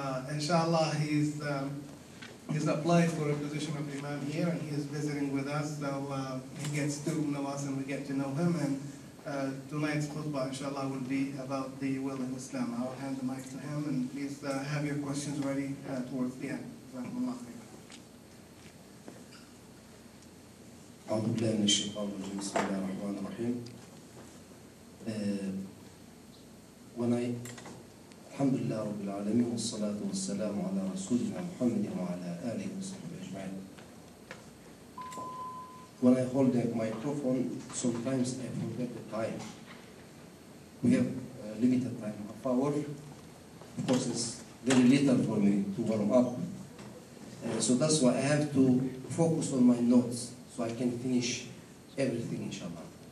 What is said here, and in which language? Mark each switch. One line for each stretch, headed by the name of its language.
English: Inshallah, he's applied for a position of imam here, and he is visiting with us, so he gets to know us and we get to know him. And tonight's khutbah, inshallah, will be about the will of Islam. I will hand the mic to him, and please have your questions ready towards the end.
Arabic: أعوذ بالله من الشيطان الرجيم. بسم الله الرحمن الرحيم. الحمد لله رب العالمين، والصلاة والسلام على رسولنا محمد وعلى آله وصحبه أجمعين.
English: When I hold the microphone, sometimes I forget the time. We have limited time, half hour. Of course, it's very little for me to warm up. So that's why I have to focus on my notes so I can finish everything, inshallah.